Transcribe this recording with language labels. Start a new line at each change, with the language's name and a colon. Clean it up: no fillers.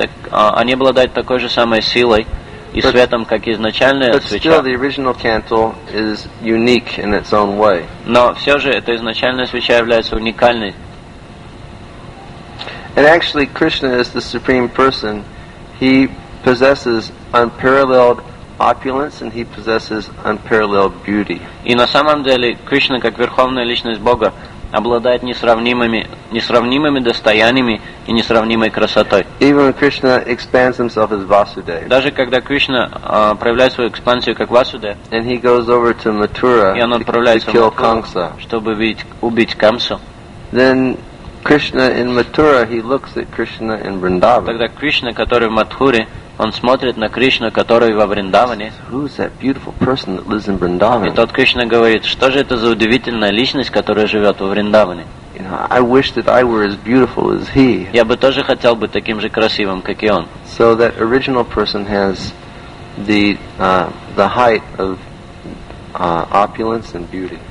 Russian: Они обладают такой же самой силой и светом, как изначальная свеча.
English: Still, the original candle is unique in its own way.
Russian: Но все же эта изначальная свеча является уникальной.
English: And actually, Krishna is the supreme person. He possesses unparalleled opulence, and he possesses unparalleled beauty.
Russian: И на самом деле Кришна, как верховная личность Бога, обладает несравнимыми достояниями и несравнимой красотой.
English: Even when Krishna expands himself as Vasudev.
Russian: Даже когда Кришна проявляет свою экспансию как Васудев.
English: And he goes over to Mathura to kill Kamsa.
Russian: Чтобы убить Камсу.
English: Then Krishna in Mathura, he looks at Krishna in Vrindavan.
Russian: Тогда Кришна, который в Матхуре, он смотрит на Кришну, который во Вриндаване.
English: Who's that beautiful person that lives in Vrindavan?
Russian: И тот Кришна говорит, что же это за удивительная личность, которая живет во Вриндаване?
English: You know, I wish that I were as beautiful as he.
Russian: Я бы тоже хотел быть таким же красивым, как и он.
English: So that original person has the height of opulence and beauty.